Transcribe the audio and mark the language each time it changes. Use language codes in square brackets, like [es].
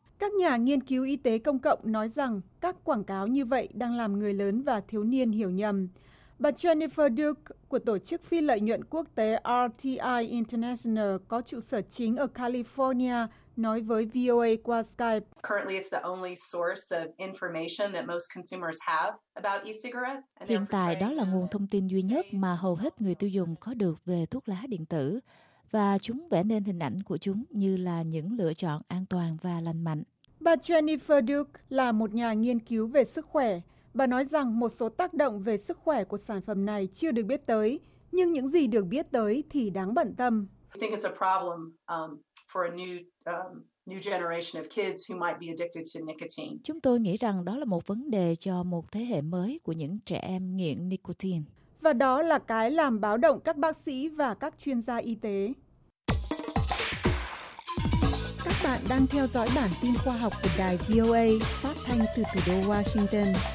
[vi] Các nhà nghiên cứu y tế công cộng nói rằng các quảng cáo như vậy đang làm người lớn và thiếu niên hiểu nhầm. Bà Jennifer Duke của tổ chức phi lợi nhuận quốc tế RTI International có trụ sở chính ở California nói với VOA qua Skype. [en] Currently it's the only source of information that most consumers have about e-cigarettes. [vi] Hiện tại đó là nguồn thông tin duy nhất mà hầu hết người tiêu dùng có được về thuốc lá điện tử. Và chúng vẽ nên hình ảnh của chúng như là những lựa chọn an toàn và lành mạnh. Bà Jennifer Duke là một nhà nghiên cứu về sức khỏe. Bà nói rằng một số tác động về sức khỏe của sản phẩm này chưa được biết tới, nhưng những gì được biết tới thì đáng bận tâm. [en] I think it's a problem for a new generation of kids who might be addicted to nicotine. [vi] Chúng tôi nghĩ rằng đó là một vấn đề cho một thế hệ mới của những trẻ em nghiện nicotine. Và đó là cái làm báo động các bác sĩ và các chuyên gia y tế. Các bạn đang theo dõi bản tin khoa học của đài VOA phát thanh từ thủ đô Washington.